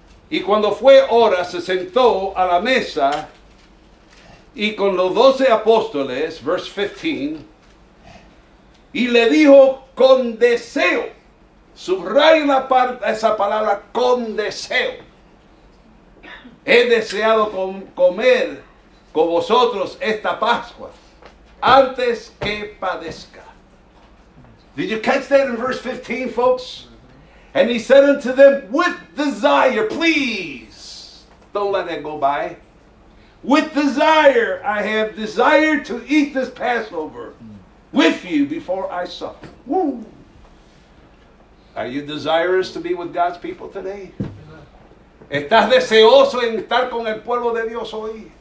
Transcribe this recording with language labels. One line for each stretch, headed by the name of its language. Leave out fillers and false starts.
Spanish: Y cuando fue hora, se sentó a la mesa y con los doce apóstoles,
English: verse 15,
Spanish: y le dijo con deseo, subrayen esa palabra con deseo, he deseado comer con vosotros esta Pascua antes que padezca.
English: Did you catch that in verse 15, folks? And he said unto them, with desire, please, don't let that go by. With desire, I have desired to eat this Passover with you before I suffer. Woo. Are you desirous to be with God's people today?
Spanish: ¿Estás deseoso en estar con el pueblo de Dios hoy?